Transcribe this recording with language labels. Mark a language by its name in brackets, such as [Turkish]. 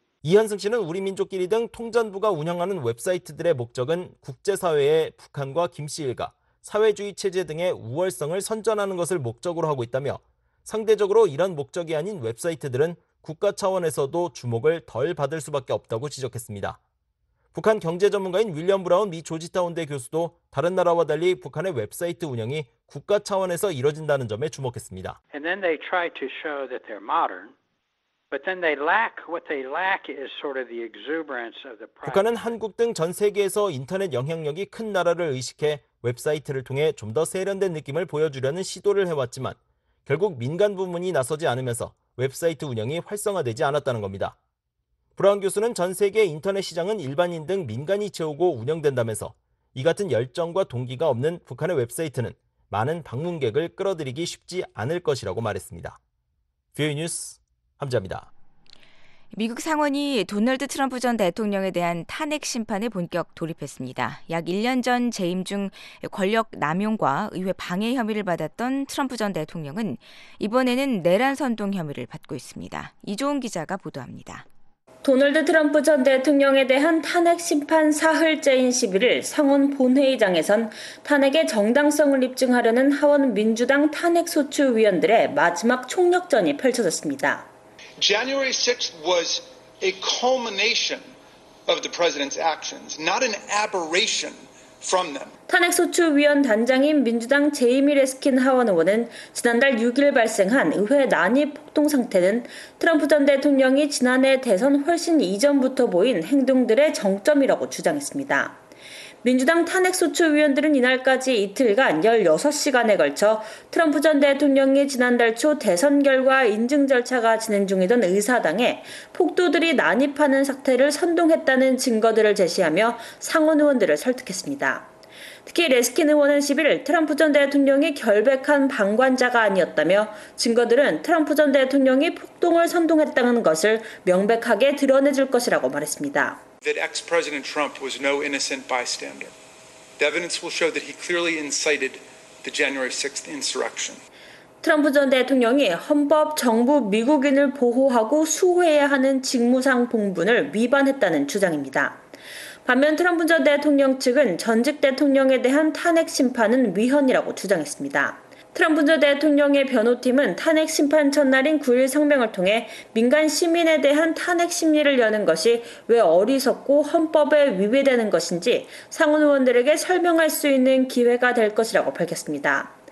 [Korean] 이현승 씨는 우리 민족끼리 등 통전부가 운영하는 웹사이트들의 목적은 국제사회에 북한과 김 씨 일가, 사회주의 체제 등의 우월성을 선전하는 것을 목적으로 하고 있다며 상대적으로 이런 목적이 아닌 웹사이트들은 국가 차원에서도 주목을 덜 받을 수밖에 없다고 지적했습니다. 북한 경제 전문가인 윌리엄 브라운 미 조지타운대 교수도 다른 나라와 달리 북한의 웹사이트 운영이 국가 차원에서 이뤄진다는 점에 주목했습니다. [English] And then they try to show that they're modern. But then they lack, what they lack is sort of the exuberance of the private. [Korean] 북한은 한국 등 전 세계에서 인터넷 영향력이 큰 나라를 의식해 웹사이트를 통해 좀 더 세련된 느낌을 보여주려는 시도를 해왔지만 결국 민간 부문이 나서지 않으면서 웹사이트 운영이 활성화되지 않았다는 겁니다. 브라운 교수는 전 세계 인터넷 시장은 일반인 등 민간이 채우고 운영된다면서 이 같은 열정과 동기가 없는 북한의 웹사이트는 많은 방문객을 끌어들이기 쉽지 않을 것이라고 말했습니다. 뷰이 뉴스 함재합니다. 미국 상원이 도널드 트럼프 전 대통령에 대한 탄핵 심판에 본격 돌입했습니다. 약 1년 전 재임 중 권력 남용과 의회 방해 혐의를 받았던 트럼프 전 대통령은 이번에는 내란 선동 혐의를 받고 있습니다. 이종훈 기자가 보도합니다. 도널드 트럼프 전 대통령에 대한 탄핵 심판 사흘째인 11일 상원 본회의장에선 탄핵의 정당성을 입증하려는 하원 민주당 탄핵 소추 위원들의 마지막 총력전이 펼쳐졌습니다. [English] January 6th was a culmination of the president's actions, not an aberration from them. [Korean] 탄핵소추 위원 단장인 민주당 제이미 레스킨 하원 의원은 지난달 6일 발생한 의회 난입 폭동 상태는 트럼프 전 대통령이 지난해 대선 훨씬 이전부터 보인 행동들의 정점이라고 주장했습니다. 민주당 탄핵소추 위원들은 이날까지 이틀간 16시간에 걸쳐 트럼프 전 대통령이 지난달 초 대선 결과 인증 절차가 진행 중이던 의사당에 폭도들이 난입하는 사태를 선동했다는 증거들을 제시하며 상원 의원들을 설득했습니다. 특히 레스킨 의원은 11일 트럼프 전 대통령이 결백한 방관자가 아니었다며 증거들은 트럼프 전 대통령이 폭동을 선동했다는 것을 명백하게 드러내줄 것이라고 말했습니다. [English] That ex-president Trump was no innocent bystander. The evidence will show that he clearly incited the January 6th insurrection. [Korean] 트럼프 전 대통령이 헌법, 정부, 미국인을 보호하고 수호해야 하는 직무상 본분을 위반했다는 주장입니다. 반면 트럼프 전 대통령 측은 전직 대통령에 대한 탄핵 심판은 위헌이라고 주장했습니다. 트럼프 전 대통령의 변호팀은 탄핵 심판 첫날인 9일 성명을 통해 민간 시민에 대한 탄핵 심리를 여는 것이 왜 어리석고 헌법에 위배되는 것인지 상원 의원들에게 설명할 수 있는 기회가 될 것이라고 밝혔습니다.